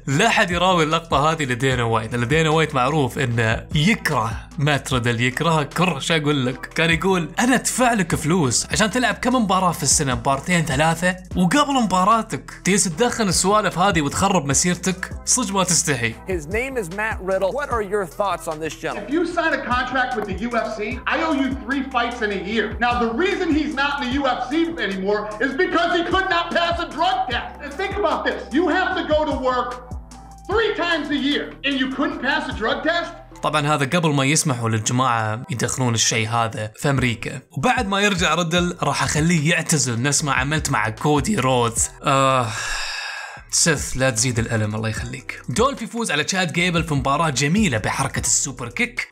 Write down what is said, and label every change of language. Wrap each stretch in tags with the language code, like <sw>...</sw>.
<ar>لا احد يراوي اللقطه هذه لدينا وايت، لدينا وايت معروف انه يكره مات ريدل، يكره كره. شو اقول لك؟ كان يقول انا ادفع لك فلوس عشان تلعب كم مباراه في السنه؟ مبارتين ثلاثه؟ وقبل مباراتك تجلس تدخن السوالف هذه وتخرب مسيرتك؟ صدق ما تستحي.</ar> <en>His name is Matt Riddle. What are your thoughts on this gentleman? If you sign a contract with the UFC, I owe you 3 fights in a year. Now the reason he's not in the UFC anymore is because he could not pass a drug test. And think about this. You have to go to work 3 times a year and you couldn't pass a drug test?</en> <ar>طبعا هذا قبل ما يسمحوا للجماعة يدخلون الشيء هذا في أمريكا. وبعد ما يرجع ردل راح أخليه يعتزل نفس ما عملت مع كودي رودز. سيث لا تزيد الألم الله يخليك. دولف يفوز على تشاد جيبل في مباراة جميلة بحركة السوبر كيك.</ar>